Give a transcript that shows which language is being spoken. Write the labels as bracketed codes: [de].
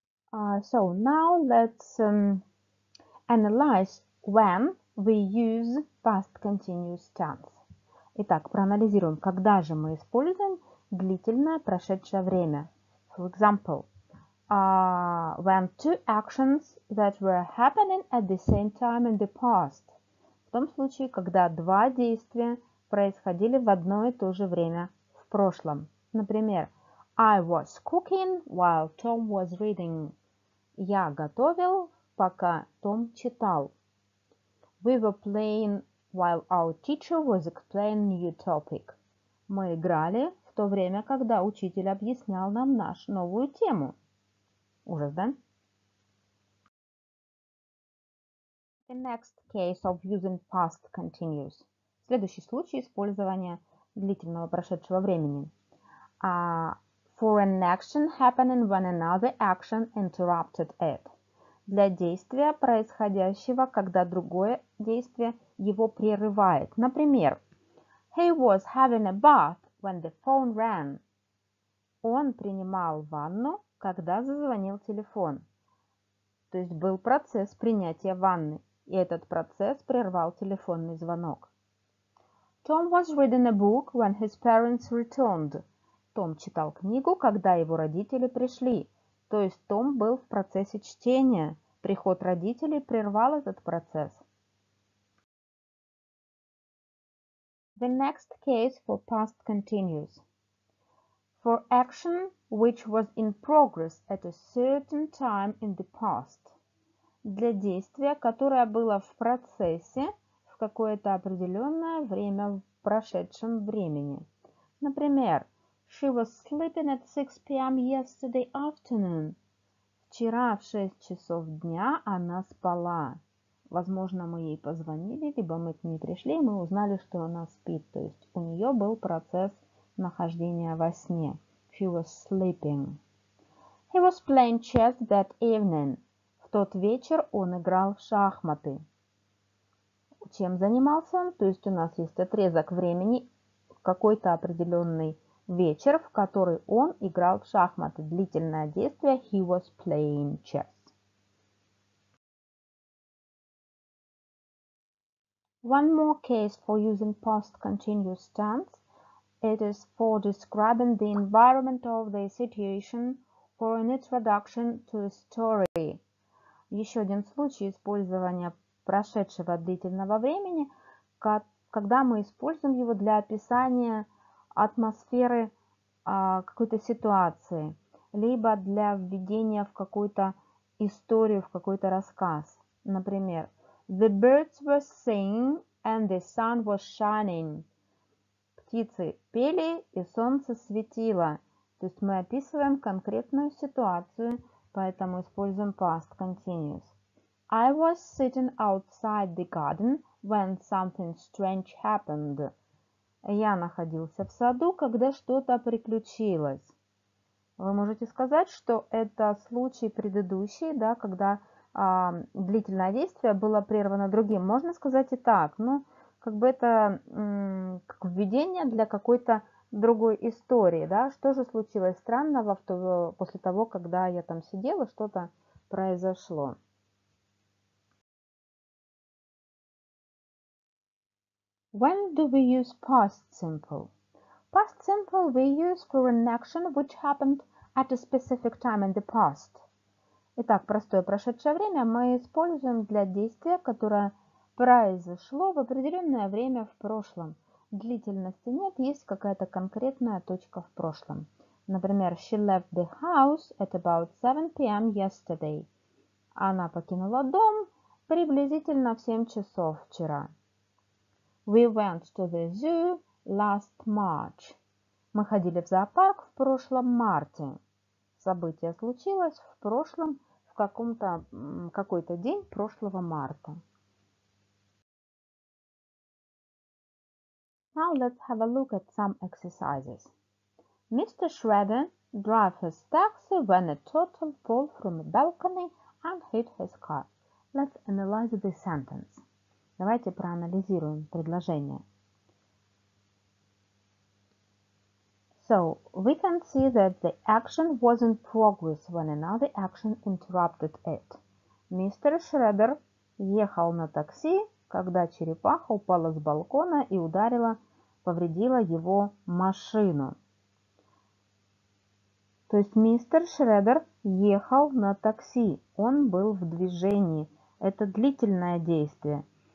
[en] So now let's analyze when we use past continuous tense. [ru] Итак, проанализируем, когда же мы используем длительное прошедшее время. [en] For example, when two actions that were happening at the same time in the past. [ru] В том случае, когда два действия происходили в одно и то же время в прошлом. Например, [en] I was cooking while Tom was reading. [ru] Я готовил, пока Том читал. [en] We were playing while our teacher was explaining new topic. [ru] Мы играли в то время, когда учитель объяснял нам нашу новую тему. Ужас, да? [en] The next case of using past continuous. [ru] Следующий случай использования длительного прошедшего времени. [en] For an action happening when another action interrupted it. [ru] Для действия, происходящего, когда другое действие его прерывает. Например, [en] he was having a bath when the phone rang. [ru] Он принимал ванну, когда зазвонил телефон. То есть был процесс принятия ванны, и этот процесс прервал телефонный звонок. [en] Tom was reading a book when his parents returned. [ru] Том читал книгу, когда его родители пришли. То есть Том был в процессе чтения. Приход родителей прервал этот процесс. [en] The next case for past continuous. For action which was in progress at a certain time in the past. [ru] Для действия, которое было в процессе в какое-то определенное время в прошедшем времени. Например, [en] she was sleeping at 6 p.m. yesterday afternoon. [ru] Вчера в 6 часов дня она спала. Возможно, мы ей позвонили, либо мы к ней пришли, и мы узнали, что она спит. То есть у нее был процесс нахождения во сне. [en] She was sleeping. He was playing chess that evening. [ru] В тот вечер он играл в шахматы. Чем занимался он? То есть у нас есть отрезок времени, какой-то определенный вечер, в который он играл в шахматы. Длительное действие. [en] He was playing chess. One more case for using past continuous tense. It is for describing the environment of the situation or an introduction to a story. [ru] Еще один случай использования прошедшего длительного времени, когда мы используем его для описания атмосферы какой-то ситуации, либо для введения в какую-то историю, в какой-то рассказ. Например, [en] the birds were singing and the sun was shining. [ru] Птицы пели и солнце светило. То есть мы описываем конкретную ситуацию, поэтому используем past continuous. [en] I was sitting outside the garden when something strange happened. [ru] Я находился в саду, когда что-то приключилось. Вы можете сказать, что это случай предыдущий, да, когда длительное действие было прервано другим. Можно сказать и так, но как бы это как введение для какой-то другой истории. Да? Что же случилось странного после того, когда я там сидела, что-то произошло. [en] When do we use past simple? Past simple we use for an action which happened at a specific time in the past. [ru] Итак, простое прошедшее время мы используем для действия, которое произошло в определенное время в прошлом. Длительности нет, есть какая-то конкретная точка в прошлом. Например, [en] she left the house at about 7 p.m. yesterday. [ru] Она покинула дом приблизительно в 7 часов вчера. [en] We went to the zoo last March. [ru] Мы ходили в зоопарк в прошлом марте. Событие случилось в прошлом какой-то день прошлого марта. [en] Now let's have a look at some exercises. Mr. Shredder drove his taxi when a turtle fell from a balcony and hit his car. Let's analyze the sentence. [ru] Давайте проанализируем предложение. [en] So, we can see that the action was in progress when another action interrupted it. Mr. [ru] Shredder ехал на такси, когда черепаха упала с балкона и ударила, повредила его машину. То есть, мистер Шреддер ехал на такси. Он был в движении. Это длительное действие.